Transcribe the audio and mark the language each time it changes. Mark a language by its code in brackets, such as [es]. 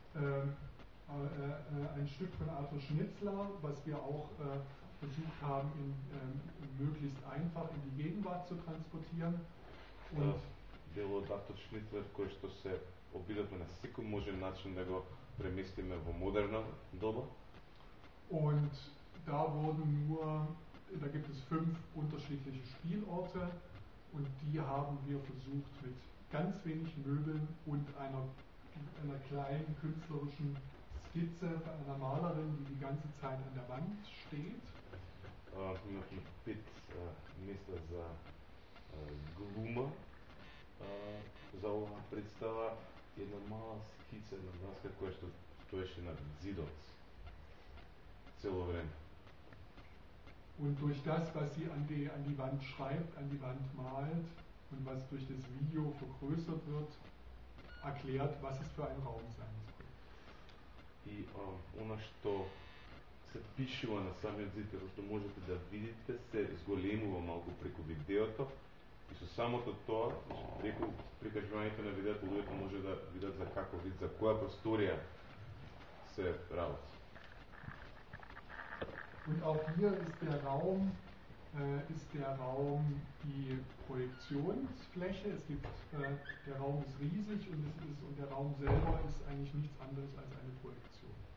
[de] Ein Stück von Arthur Schnitzler, was wir auch versucht haben, in, möglichst einfach in die Gegenwart zu transportieren. [mk] Дело од Артур Шнитлер, кој што се обидовме на секој можен начин да го преместиме во модерна доба. [de] Und da wurden nur, da gibt es 5 unterschiedliche Spielorte. Und die haben wir versucht mit ganz wenig Möbeln und einer kleinen künstlerischen Skizze von einer Malerin, die ganze Zeit an der Wand steht. Wir haben noch 5 Mäste für Gluma, für diese eine kleine Skizze an der Wand, die steht an der Zidot. Und durch das, was sie an die Wand schreibt, an die Wand malt und was durch das Video vergrößert wird, erklärt, was es für ein Raum sein soll. [mk] И она што се пишува на самиот зид, тоа што можете да видите, се зголемува малку преку видеото и со самото тоа, преку прикажувањето на видеото, луѓето може да видат за како вид, за која просторија се работи. [de] Und auch hier ist der Raum, die Projektionsfläche. Es gibt, der Raum ist riesig und es ist, und der Raum selber ist eigentlich nichts anderes als eine Projektion.